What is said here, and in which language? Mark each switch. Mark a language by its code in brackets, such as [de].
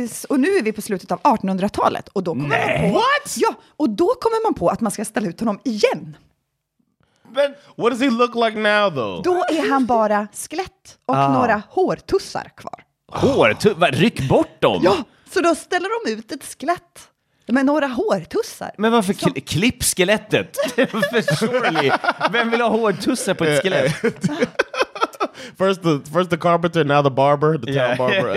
[sv] Och nu är vi på slutet av 1800-talet, och då kommer man på, [en] what? [sv] Ja, och då kommer man på att man ska ställa ut honom igen. [en] But what does he look like now though? [sv] Då är han bara skelett och några hårtussar kvar. Hårtussar, ryck bort dem. Ja, så då ställer de ut ett skelett med några hårtussar. Men varför klipp skelettet? Surely. Vem vill ha hårtussar på ett skelett? [en] First the carpenter, now the barber, the town barber.